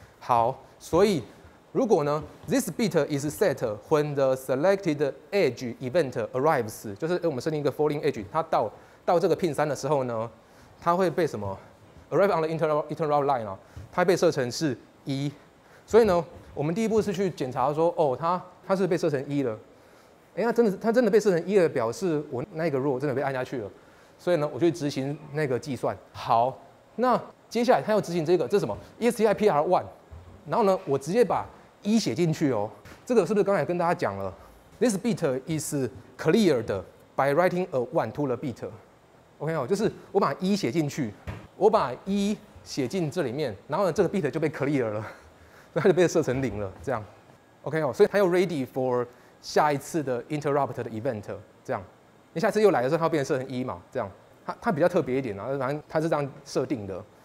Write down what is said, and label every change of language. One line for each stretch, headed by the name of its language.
Chinese: 好，所以如果呢 ，
English: this bit is set when the selected edge event arrives，
Chinese: 就是我们设定一个 falling edge， 它到这个 pin 3的时候呢，它会被什么 ？
English: arrive on the interrupt line
Chinese: 啊，它被设成是一。所以呢，我们第一步是去检查说，哦，它是被设成一了。哎、欸，它真的被设成一了，表示我那个 rule 真的被按下去了。所以呢，我就执行那个计算。好，那接下来他要执行这个，这是什么 ？ESTI PR1。然后呢，我直接把一写进去哦。这个是不是刚才跟大家讲了
English: ？This bit is cleared by writing a one to the bit。
Chinese: OK 哦，就是我把一写进去，我把一写进这里面，然后呢，这个 bit 就被 clear 了，所以它就被设成零了。这样 ，OK 哦，所以它要 ready for 下一次的 interrupt 的 event。这样。你下次又来的时候，它会变成设成一嘛？这样，它比较特别一点啊，反正它是这样设定的。